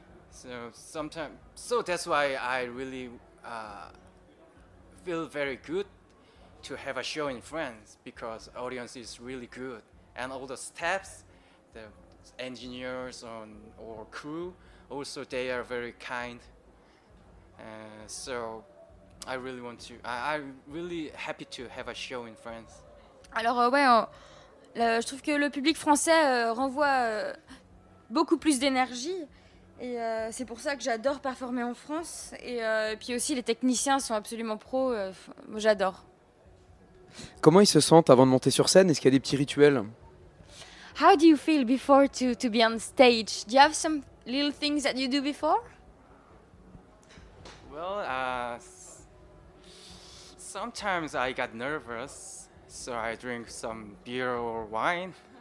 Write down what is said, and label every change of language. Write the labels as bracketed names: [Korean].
[English] So that's why I really feel very good to have a show in France, because audience is really good. And all the staffs, the engineers or crew, also they are very kind. So I really want to, I'm really happy to have a show in France. [French] Alors je trouve que le public français renvoie beaucoup plus d'énergie. Et c'est pour ça que j'adore performer en France. Et puis aussi les techniciens sont absolument pros, j'adore. Comment ils se sentent avant de monter sur scène ? Est-ce qu'il y a des petits rituels ? [English] How do you feel before to be on stage? Do you have some little things that you do before? Well, sometimes I got nervous, so I drink some beer or wine.